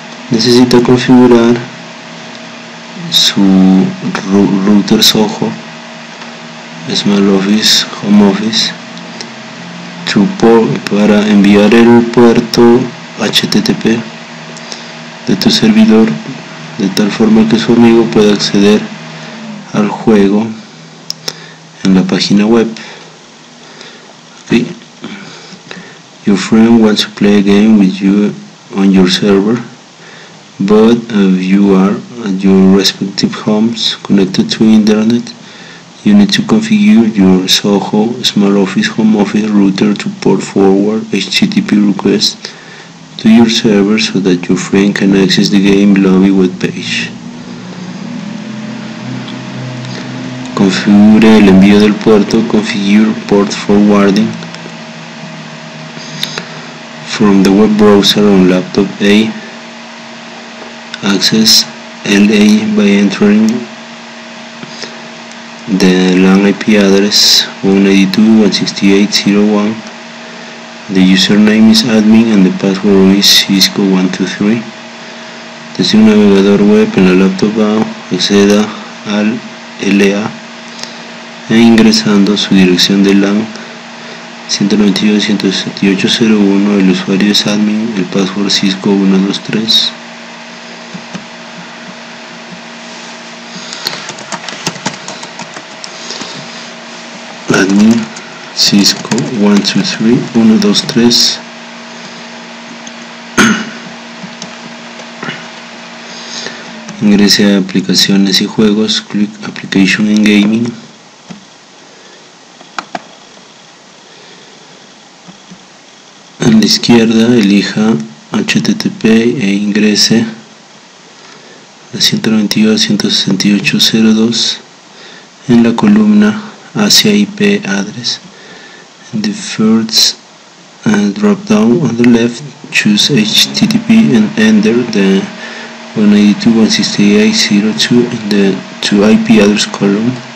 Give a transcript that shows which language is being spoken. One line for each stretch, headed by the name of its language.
Spanish: Necesita configurar su router Soho, Small Office, Home Office, para enviar el puerto HTTP de tu servidor, de tal forma que su amigo pueda acceder al juego en la página web.
English: Okay. Your friend wants to play a game with you on your server, but if you are at your respective homes connected to internet, you need to configure your Soho Smart Office Home Office router to port forward HTTP request to your server so that your friend can access the game lobby web page. Configure el envío del puerto. Configure port forwarding from the web browser on laptop A. Access LA by entering the LAN IP address 192.168.0.1. The username is admin and the password is Cisco123.
Spanish: Desde un navegador web en la laptop A, acceda al LA e ingresando su dirección de LAN 192.168.0.1. El usuario es admin, el password Cisco123. Admin Cisco 123 123. Ingrese a aplicaciones y juegos, click application and gaming. En la izquierda elija HTTP e ingrese la 192.168.0.2 en la columna hacia IP address.
English: In the first drop down on the left, choose HTTP and enter the 192.168.0.2 in the to IP address column.